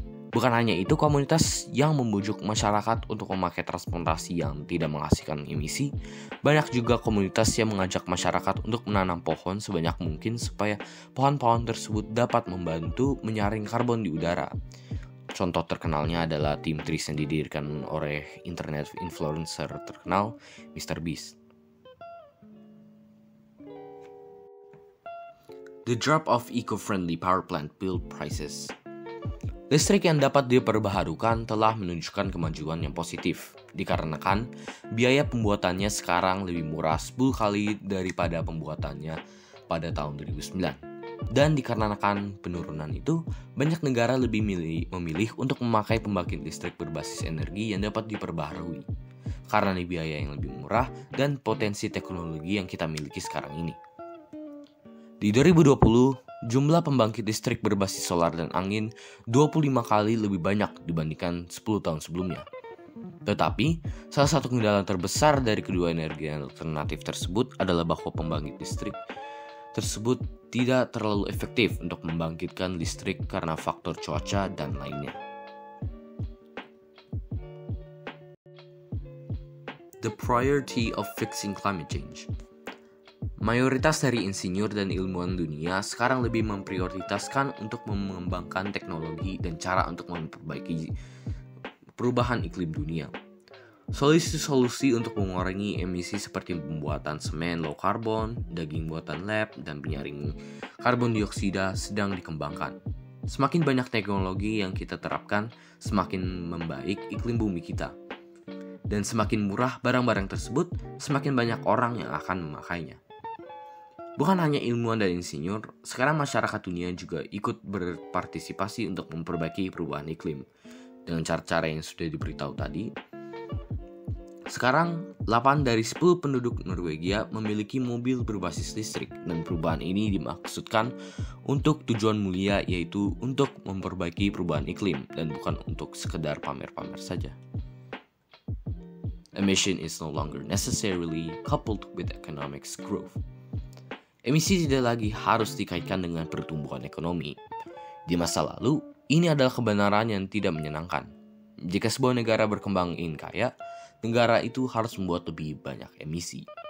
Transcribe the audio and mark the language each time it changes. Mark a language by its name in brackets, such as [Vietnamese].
[Indonesian] Bukan hanya itu, komunitas yang membujuk masyarakat untuk memakai transportasi yang tidak menghasilkan emisi, banyak juga komunitas yang mengajak masyarakat untuk menanam pohon sebanyak mungkin supaya pohon-pohon tersebut dapat membantu menyaring karbon di udara. Contoh terkenalnya adalah Team Trees yang didirikan oleh internet influencer terkenal, Mr. Beast. [English] The drop of eco-friendly power plant bill prices. [Indonesian] Listrik yang dapat diperbaharukan telah menunjukkan kemajuan yang positif, dikarenakan biaya pembuatannya sekarang lebih murah 10 kali daripada pembuatannya pada tahun 2009. Dan dikarenakan penurunan itu, banyak negara lebih memilih untuk memakai pembangkit listrik berbasis energi yang dapat diperbaharui, karena biaya yang lebih murah dan potensi teknologi yang kita miliki sekarang ini. Di 2020, jumlah pembangkit listrik berbasis solar dan angin 25 kali lebih banyak dibandingkan 10 tahun sebelumnya. Tetapi, salah satu kendala terbesar dari kedua energi alternatif tersebut adalah bahwa pembangkit listrik tersebut tidak terlalu efektif untuk membangkitkan listrik karena faktor cuaca dan lainnya. [English] The priority of fixing climate change. [Indonesian] Mayoritas dari insinyur dan ilmuwan dunia sekarang lebih memprioritaskan untuk mengembangkan teknologi dan cara untuk memperbaiki perubahan iklim dunia. Solusi-solusi untuk mengurangi emisi seperti pembuatan semen low carbon, daging buatan lab, dan penyaring karbon dioksida sedang dikembangkan. Semakin banyak teknologi yang kita terapkan, semakin membaik iklim bumi kita. Dan semakin murah barang-barang tersebut, semakin banyak orang yang akan memakainya. Bukan hanya ilmuwan dan insinyur, sekarang masyarakat dunia juga ikut berpartisipasi untuk memperbaiki perubahan iklim. Dengan cara-cara yang sudah diberitahu tadi, Sekarang, 8 dari 10 penduduk Norwegia memiliki mobil berbasis listrik, dan perubahan ini dimaksudkan untuk tujuan mulia, yaitu untuk memperbaiki perubahan iklim, dan bukan untuk sekedar pamer-pamer saja. [English] Emission is no longer necessarily coupled with economic growth. [Indonesian] Emisi tidak lagi harus dikaitkan dengan pertumbuhan ekonomi. Di masa lalu, ini adalah kebenaran yang tidak menyenangkan. Jika sebuah negara berkembang ingin kaya, negara itu harus membuat lebih banyak emisi.